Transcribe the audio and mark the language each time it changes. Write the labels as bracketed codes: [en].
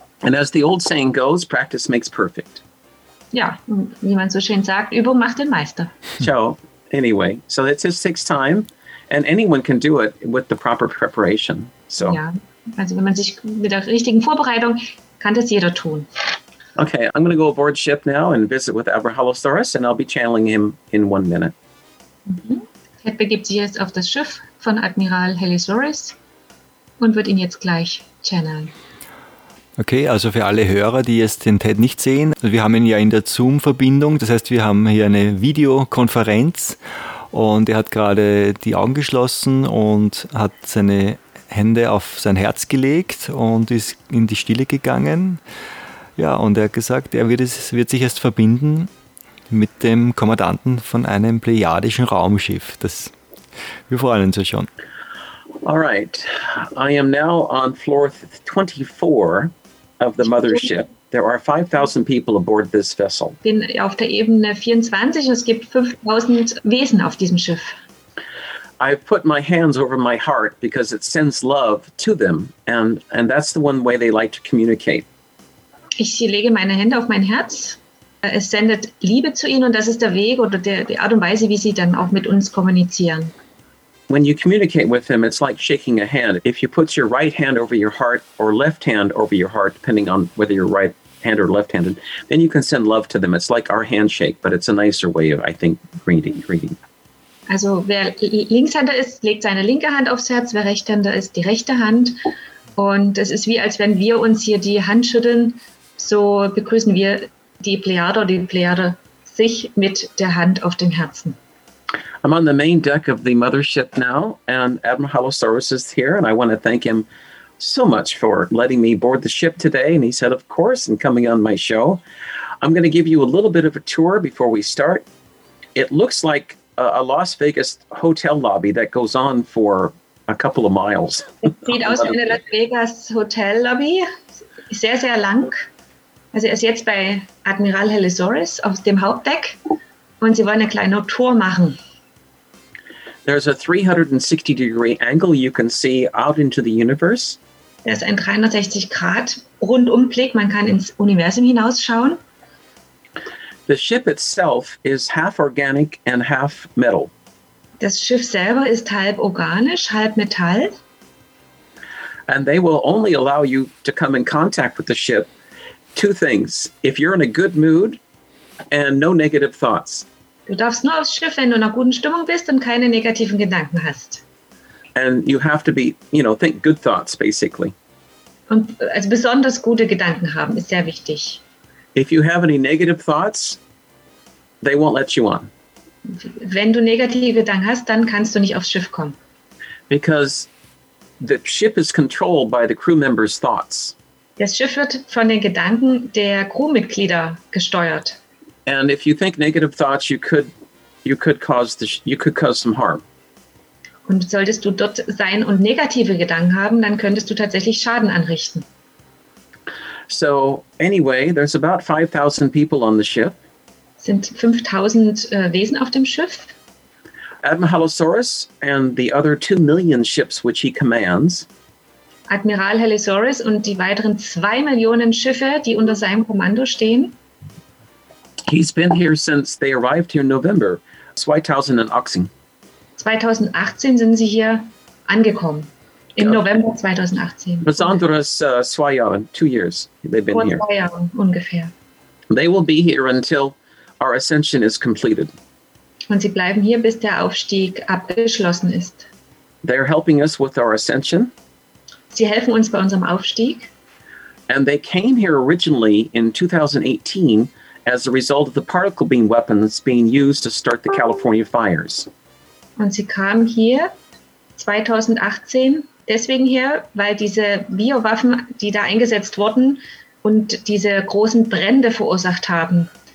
[en] And as the old saying goes, practice makes perfect. [de] Ja, wie man so schön sagt, Übung macht den Meister. [en] So anyway, so it just takes time. And anyone can do it with the proper preparation. So. [de] Ja, also wenn man sich mit der richtigen Vorbereitung, kann das jeder tun. [en] Okay, I'm going to go aboard ship now and visit with Abrahalosaurus, and I'll be channeling him in 1 minute. [de] Ted begibt sich jetzt auf das Schiff von Admiral Halosaurus und wird ihn jetzt gleich channeln. Okay, also für alle Hörer, die jetzt den Ted nicht sehen, wir haben ihn ja in der Zoom-Verbindung, das heißt, wir haben hier eine Videokonferenz und er hat gerade die Augen geschlossen und hat seine Hände auf sein Herz gelegt und ist in die Stille gegangen. Ja, und er hat gesagt, er wird sich erst verbinden mit dem Kommandanten von einem plejadischen Raumschiff. Wir freuen uns ja schon. [en] All right. I am now on floor 24 of the Mothership. There are 5,000 people aboard this vessel. [de] Ich bin auf der Ebene 24. Es gibt 5,000 Wesen auf diesem Schiff. [en] I've put my hands over my heart because it sends love to them. And that's the one way they like to communicate. [de] Ich lege meine Hände auf mein Herz. Es sendet Liebe zu ihnen und das ist der Weg oder die Art und Weise, wie sie dann auch mit uns kommunizieren. [en] When you communicate with them, it's like shaking a hand. If you put your right hand over your heart or left hand over your heart, depending on whether you're right hand or left-handed, then you can send love to them. It's like our handshake, but it's a nicer way of, I think, greeting. [de] Also wer Linkshänder ist, legt seine linke Hand aufs Herz, wer Rechtshänder ist, die rechte Hand. Und es ist wie, als wenn wir uns hier die Hand schütteln, so begrüßen wir die Plejade sich mit der Hand auf dem Herzen. [en] I'm on the main deck of the Mothership now, and Admiral Halosaurus is here, and I want to thank him so much for letting me board the ship today. And he said, of course, and coming on my show. I'm going to give you a little bit of a tour before we start. It looks like a Las Vegas hotel lobby that goes on for a couple of miles. [de] Es sieht aus wie eine Las Vegas Hotel Lobby. Sehr, sehr lang. Also er ist jetzt bei Admiral Halosaurus auf dem Hauptdeck und sie wollen eine kleine Tour machen. [en] There's a 360-degree angle you can see out into the universe. [de] Es ist ein 360-Grad Rundumblick. Man kann ins Universum hinausschauen. [en] The ship itself is half organic and half metal. [de] Das Schiff selber ist halb organisch, halb Metall. [en] And they will only allow you to come in contact with the ship two things. If you're in a good mood and no negative thoughts. [de] Du darfst nur aufs Schiff, wenn du in einer guten Stimmung bist und keine negativen Gedanken hast. [en] And you have to be, you know, think good thoughts, basically. [de] Und also besonders gute Gedanken haben ist sehr wichtig. [en] If you have any negative thoughts, they won't let you on. [de] Wenn du negative Gedanken hast, dann kannst du nicht aufs Schiff kommen. [en] Because the ship is controlled by the crew members' thoughts. [de] Das Schiff wird von den Gedanken der Crewmitglieder gesteuert. [en] And if you think negative thoughts, you could cause some harm. [de] Und solltest du dort sein und negative Gedanken haben, dann könntest du tatsächlich Schaden anrichten. [en] So anyway, there's about 5,000 people on the ship. [de] Sind 5,000 Wesen auf dem Schiff? [en] Admiral Halosaurus and the other 2 million ships which he commands. [de] Admiral Halosaurus und die weiteren 2 Millionen Schiffe, die unter seinem Kommando stehen. [en] He's been here since they arrived here in November 2018. [de] 2018 sind sie hier angekommen. Im November 2018. Besonders 2 Jahre, [en] 2 years they've been [de] vor [en] here. [de] Vor 2 Jahren ungefähr. [en] They will be here until our ascension is completed. [de] Und sie bleiben hier, bis der Aufstieg abgeschlossen ist. [en] They are helping us with our ascension. [de] Sie helfen uns bei unserem Aufstieg. [en] And they came here originally in 2018 as a result of the particle beam weapons being used to start the California fires. [de] Und sie kamen hier 2018 deswegen her, weil diese Biowaffen, die da eingesetzt wurden und diese großen Brände verursacht haben.